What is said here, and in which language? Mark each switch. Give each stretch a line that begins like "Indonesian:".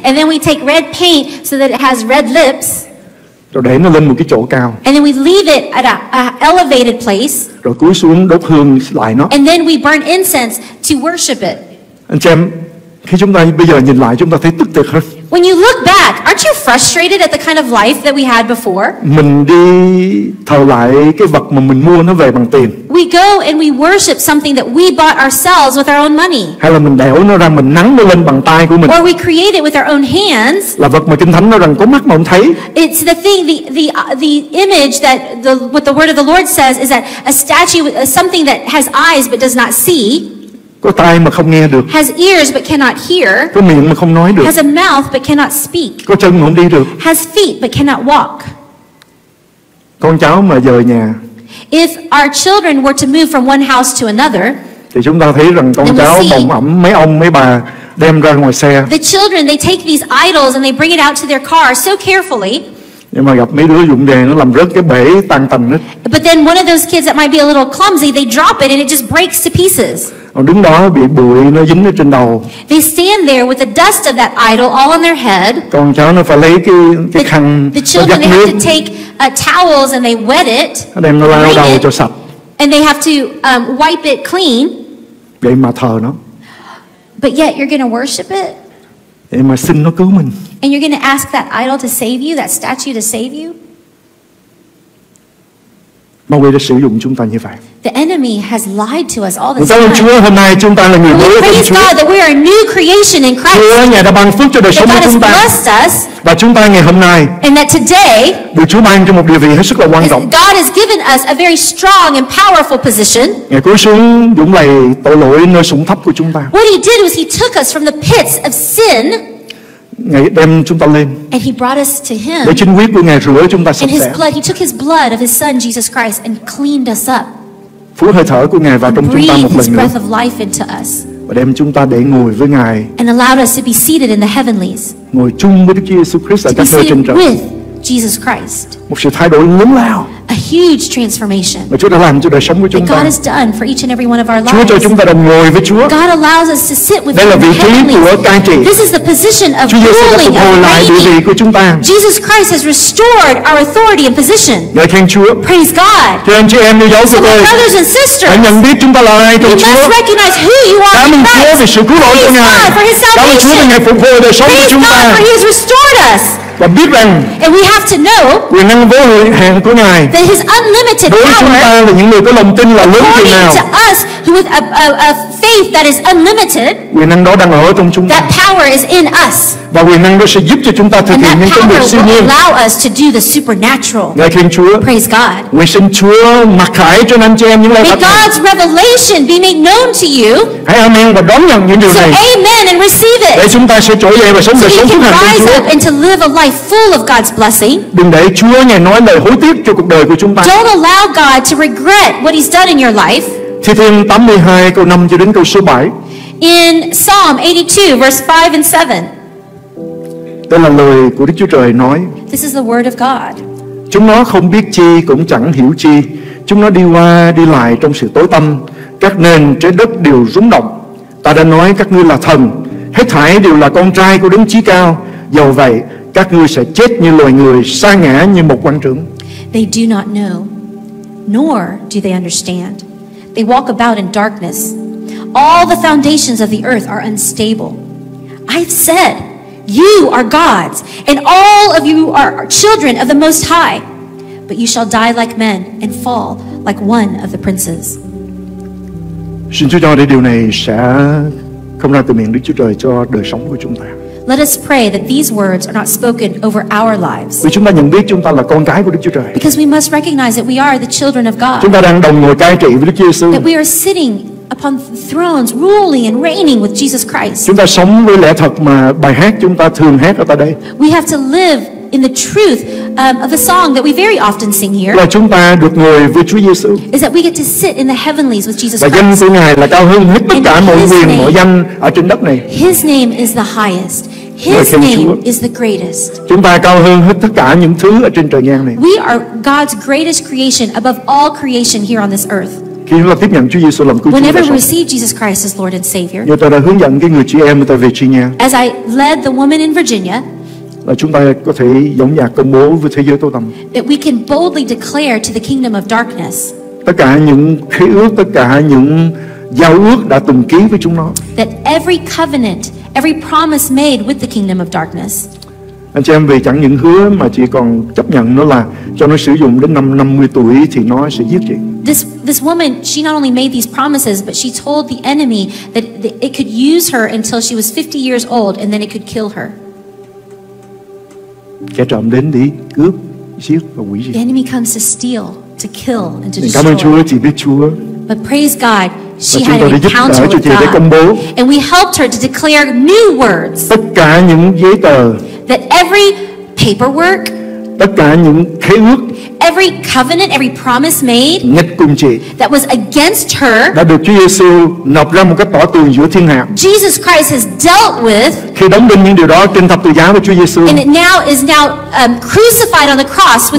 English: And then we take red paint so that it has red lips.
Vietnamese: Rồi để nó lên một cái chỗ cao.
English: And then we leave it at a elevated place.
Vietnamese: Rồi cúi xuống đốt hương lại nó.
English: And then we burn incense to worship it.
Vietnamese: Anh chị em, khi chúng ta bây giờ nhìn lại chúng ta thấy tức tức hết.
English: When you look back, aren't you frustrated at the kind of life that we had before?
Vietnamese: Mình đi thờ lại cái vật mà mình mua nó về bằng tiền.
English: We go and we worship something that we bought ourselves with our own money.
Vietnamese: Hay là mình đẽo nó ra, mình nắn nó lên bằng tay của mình.
English: Or we create it with our own hands.
Vietnamese: Là vật mà Kinh Thánh nói rằng có mắt mà không thấy.
English: It's the thing, the image that what the word of the Lord says is that a statue, something that has eyes but does not see.
Vietnamese: Có tai mà không nghe được.
English: Has ears but cannot hear.
Vietnamese: Có miệng mà không nói được.
English: Has a mouth but cannot speak.
Vietnamese: Có chân mà không đi được.
English: Has feet but cannot walk.
Vietnamese: Con cháu mà dời nhà.
English: If our children were to move from one house to another.
Vietnamese: Thì chúng ta thấy rằng con cháu bồng ẩm mấy ông mấy bà đem ra ngoài xe.
English: The children, they take these idols and they bring it out to their car so carefully.
Vietnamese: Nhưng mà gặp mấy đứa dụng đèn nó làm rớt cái bể tàn tành hết.
English: But then one of those kids that might be a little clumsy, they drop it and it just breaks to pieces.
Vietnamese: Còn đứng đó bị bụi nó dính ở trên đầu.
English: They stand there with the dust of that idol all on their head.
Vietnamese: Còn cháu nó phải lấy cái khăn
English: the children
Vietnamese: nó giặt nước.
English: Have to take towels and they wet it.
Vietnamese: Đem nó lau đầu cho sạch.
English: And they have to wipe it clean.
Vietnamese: Vậy mà thờ nó.
English: But yet you're going to worship it.
Vietnamese: Vậy mà xin nó cứu mình.
English: And you're going to ask that idol to save you, that statue to save you.
Vietnamese: Ma quỷ đã sử dụng chúng ta như vậy.
English: The enemy has lied to us all this time.
Vietnamese: Cảm ơn Chúa, hôm nay chúng ta là người mới.
English: Praise God that we are a new creation in Christ.
Vietnamese: Chúa ngài đã ban phước cho đời sống chúng ta. Và chúng ta ngày hôm nay.
English: And that today.
Vietnamese: Được Chúa ban cho một địa vị hết sức là quan trọng.
English: God has given us a very strong and powerful position.
Vietnamese: Ngài cúi xuống dũng lạy tội lỗi nơi sủng thấp của chúng ta.
English: What he did was he took us from the pits of sin.
Vietnamese: Ngài đem chúng ta lên.
English: And he brought us to him.
Vietnamese: Lấy chính huyết của Ngài rửa chúng ta sạch sẽ.
English: And his blood, he took his blood of his son Jesus Christ and cleaned us up.
Vietnamese: Phú hơi thở của Ngài vào trong chúng ta một lần nữa.
English: Breath of life into us.
Vietnamese: Và đem chúng ta để ngồi với Ngài.
English: And allowed us to be seated in the heavenlies.
Vietnamese: Ngồi chung với Đức Chúa Jesus Christ ở các nơi trên trời.
English: With Jesus Christ.
Vietnamese: Một sự thay đổi lớn lao.
English: A a huge transformation
Vietnamese: mà Chúa đã làm cho đời sống của chúng ta.
English: God has done for each and every one of our lives.
Vietnamese: Chúa cho chúng ta được ngồi với Chúa.
English: God allows us to sit with Him.
Vietnamese: Đây là vị trí của cai trị.
English: This is the position of ruling and reigning. Jesus Christ has restored our authority and position.
Vietnamese: Lạy Thiên Chúa.
English: Praise God.
Vietnamese: Cho anh chị em yêu dấu của tôi.
English: Brothers and sisters.
Vietnamese: Hãy nhận biết chúng ta là ai trong Chúa.
English: You must recognize who you are.
Vietnamese: Cảm ơn Chúa vì sự cứu rỗi của Ngài. Cảm ơn Chúa vì Ngài phục hồi đời sống của chúng ta.
English: Praise God for He has restored us.
Vietnamese: Và biết rằng
English: and we have to know
Vietnamese: quyền năng vô hạn của Ngài
English: that His unlimited power
Vietnamese: đối với chúng ta là những người có lòng tin là lớn thế nào
English: to us with a faith that is unlimited
Vietnamese: quyền năng đó đang ở trong chúng ta
English: that power is in us
Vietnamese: và quyền năng đó sẽ giúp cho chúng ta thực hiện những công việc siêu nhiên
English: and allow us to do the supernatural.
Vietnamese: Lạy Thiên Chúa,
English: praise God.
Vietnamese: Nguyện xin Chúa mặc khải cho anh chị em những lời
English: may God's revelation be made known to you.
Vietnamese: Hãy amen và đón nhận những điều này
English: so amen and receive it
Vietnamese: để chúng ta sẽ trỗi dậy và sống đời sống phước hạnh của Chúa
English: and to live a life full of God's blessing.
Vietnamese: Đừng để Chúa ngày nói lời hối tiếc cho cuộc đời của chúng ta.
English: Don't allow God to regret what He's done in your life.
Vietnamese: Thi Thiên 82 câu 5 cho đến câu số 7.
English: In Psalm 82 verse 5 and 7.
Vietnamese: Đây là lời của Đức Chúa Trời nói.
English: This is the word of God.
Vietnamese: Chúng nó không biết chi cũng chẳng hiểu chi. Chúng nó đi qua đi lại trong sự tối tăm. Các nền trái đất đều rúng động. Ta đã nói các ngươi là thần. Hết thảy đều là con trai của Đấng Chí Cao. Dầu vậy, các ngươi sẽ chết như loài người, sa ngã như một quan trưởng.
English: They do not know, nor do they understand. They walk about in darkness. All the foundations of the earth are unstable. I've said, you are gods, and all of you are children of the Most High. But you shall die like men and fall like one of the princes.
Vietnamese: Xin Chúa cho để điều này sẽ không ra từ miệng Đức Chúa Trời cho đời sống của chúng ta.
English: Let us pray that these words are not spoken over our lives.
Vietnamese: Vì chúng ta nhận biết chúng ta là con cái của Đức Chúa Trời.
English: Because we must recognize that we are the children of God.
Vietnamese: Chúng ta đang đồng ngồi cai trị với Đức Chúa Jesus.
English: That we are sitting upon thrones, ruling and reigning with Jesus Christ.
Vietnamese: Chúng ta sống với lẽ thật mà bài hát chúng ta thường hát ở tại đây.
English: We have to live in the truth of the song that we very often sing here.
Vietnamese: Là chúng ta được ngồi với Chúa Giêsu.
English: Is that we get to sit in the heavenlies with Jesus Christ.
Vietnamese: Và danh của Ngài là cao hơn hết tất cả mọi quyền, mọi danh ở trên đất này.
English: His name is the highest. His name is the greatest.
Vietnamese: Chúng ta cao hơn hết tất cả những thứ ở trên trời ngang này.
English: We are God's greatest creation above all creation here on this earth.
Vietnamese: Khi chúng ta tiếp nhận Chúa Giêsu làm cứu chúa,
English: whenever we receive Jesus Christ as Lord and Savior,
Vietnamese: như tôi đã hướng dẫn cái người chị em tại về chị nha.
English: As I led the woman in Virginia,
Vietnamese: là chúng ta có thể dõng dạc công bố với thế giới tối tăm.
English: That we can boldly declare to the kingdom of darkness.
Vietnamese: Tất cả những khế ước, tất cả những giao ước đã từng ký với chúng nó.
English: That every covenant, every promise made with the kingdom of darkness.
Vietnamese: Anh chị em vì chẳng những hứa mà chị còn chấp nhận nó là cho nó sử dụng đến năm 50 tuổi thì nó sẽ giết chị.
English: This woman, she not only made these promises, but she told the enemy that it could use her until she was 50 years old and then it could kill her.
Vietnamese: Kẻ trộm đến đi, cướp, giết và hủy diệt.
English: The enemy comes to steal, to kill and to destroy.
Vietnamese: Cảm ơn Chúa, chị biết Chúa.
English: But praise God, she had an encounter with God. And we helped her to declare new words.
Vietnamese: Tất cả những giấy tờ.
English: That every paperwork.
Vietnamese: Tất cả những khế ước.
English: Every covenant, every promise made.
Vietnamese: Nghịch cùng chị.
English: That was against her.
Vietnamese: Đã được Chúa Giêsu nộp ra một cái tỏ tường giữa thiên hạ.
English: Jesus Christ has dealt with.
Vietnamese: Khi đóng đinh những điều đó trên thập tự giá của Chúa Giêsu.
English: And it now is now crucified on the cross with